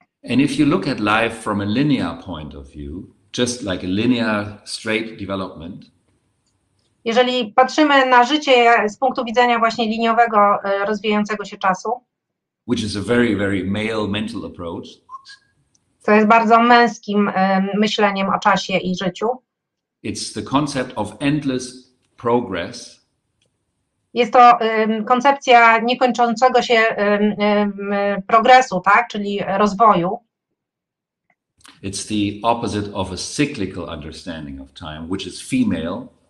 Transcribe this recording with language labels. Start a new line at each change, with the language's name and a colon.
English: And if you look at life from a linear point of view, just like a linear straight development.
Polish: Jeżeli patrzymy na życie z punktu widzenia właśnie liniowego, rozwijającego się czasu,
English: which is a very, very male mental approach.
Polish: To jest bardzo męskim myśleniem o czasie i życiu.
English: It's the concept of endless progress.
Polish: Jest to koncepcja niekończącego się progresu, tak, czyli rozwoju.
English: It's the opposite of a cyclical understanding of time, which is female.